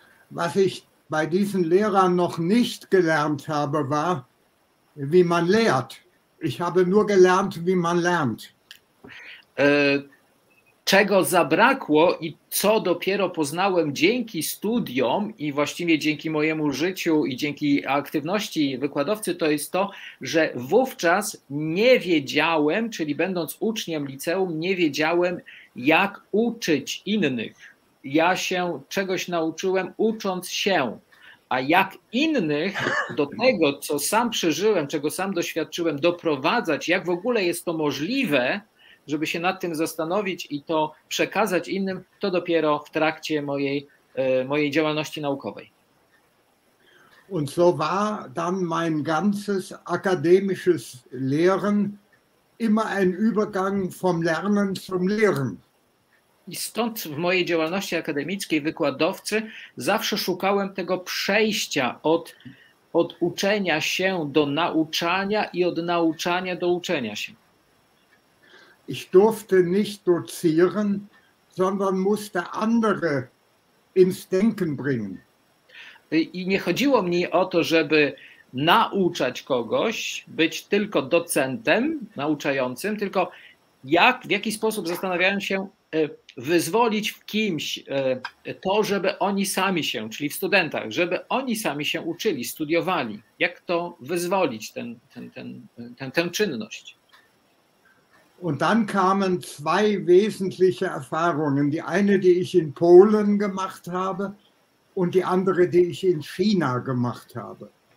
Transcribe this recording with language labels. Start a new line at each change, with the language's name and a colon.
German: Was ich bei diesen Lehrern noch nicht gelernt habe, war, wie man lehrt. Ich habe nur gelernt, wie man lernt.
Polish: Czego zabrakło i co dopiero poznałem dzięki studiom i właściwie dzięki mojemu życiu i dzięki aktywności wykładowcy, to jest to, że wówczas nie wiedziałem, czyli będąc uczniem liceum, nie wiedziałem, jak uczyć innych. Ja się czegoś nauczyłem ucząc się, a jak innych do tego, co sam przeżyłem, czego sam doświadczyłem, doprowadzać, jak w ogóle jest to możliwe, żeby się nad tym zastanowić i to przekazać innym, to dopiero w trakcie mojej działalności naukowej.
German: Und so war dann mein ganzes akademisches Lehren immer ein Übergang vom Lernen zum Lehren.
Polish: I stąd w mojej działalności akademickiej wykładowcy zawsze szukałem tego przejścia od uczenia się do nauczania i od nauczania do uczenia się.
German: Ich durfte nicht dozieren, sondern musste andere ins Denken bringen.
Polish: I nie chodziło mi o to, żeby nauczać kogoś, być tylko docentem nauczającym, tylko jak, w jaki sposób zastanawiałem się wyzwolić w kimś to, żeby oni sami się, czyli w studentach, żeby oni sami się uczyli, studiowali. Jak to wyzwolić, tę czynność?
German: Und dann kamen zwei wesentliche Erfahrungen. Die eine, die ich in Polen gemacht habe und die andere, die ich in China gemacht habe.